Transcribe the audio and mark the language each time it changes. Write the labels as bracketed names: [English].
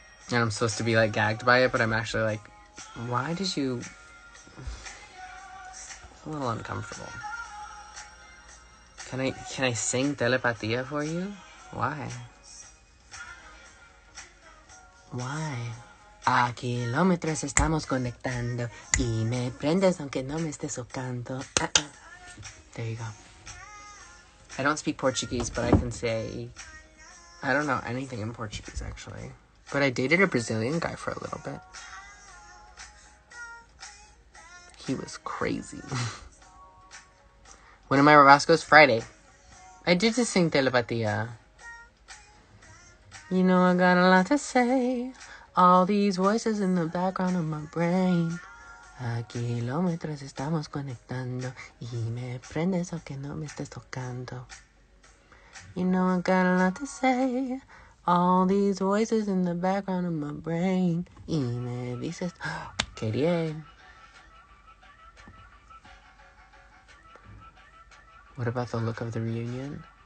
[English] And I'm supposed to be, like, gagged by it, but I'm actually like, why did you... It's a little uncomfortable. Can I sing Telepatía for you? Why? Why? [Spanish] A kilómetros estamos conectando y me prendes aunque no me estés tocando. [English] There you go. I don't speak Portuguese, but I can say... I don't know anything in Portuguese, actually. But I dated a Brazilian guy for a little bit. He was crazy. When am I Roscoe's? Friday. I did just sing Telepatía. You know I got a lot to say. All these voices in the background of my brain. [Spanish] A kilómetros estamos conectando y me prendes aunque no me estés tocando. [English] You know I got a lot to say. All these voices in the background of my brain. [Spanish] Y me dices, KDA. [English] What about the look of the reunion?